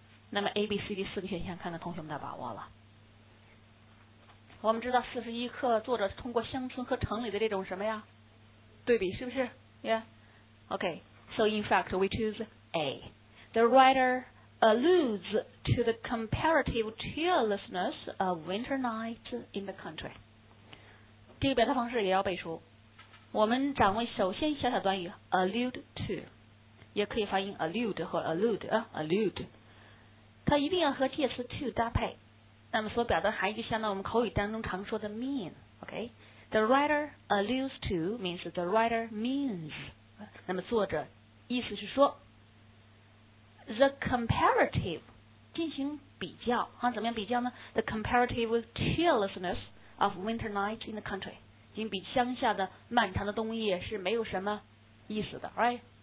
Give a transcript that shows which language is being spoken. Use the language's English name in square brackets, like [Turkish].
[Chinese] 那么 A、B、C、D 四个选项，看看同学们的把握了。我们知道41课作者通过乡村和城里的这种什么呀对比，是不是 ？Yeah. [English] Okay. So in fact, we choose A. The writer. Alludes to the comparative cheerlessness of winter nights in the country. [Chinese] 这个表达方式也要背熟。我们掌握首先小小短语 allude to， 也可以发音 allude 或 allude 啊 allude。它一定要和介词 to 搭配。那么所表达含义就相当于我们口语当中常说的 mean。 [English] OK， the writer alludes to means the writer means。 [Chinese] 那么作者意思是说。 [English] The comparative 进行比较啊，怎么样比较呢 ？The comparative cheerlessness of winter night in the country， [Chinese] 进行比乡下的漫长的冬夜是没有什么意思的 ，right？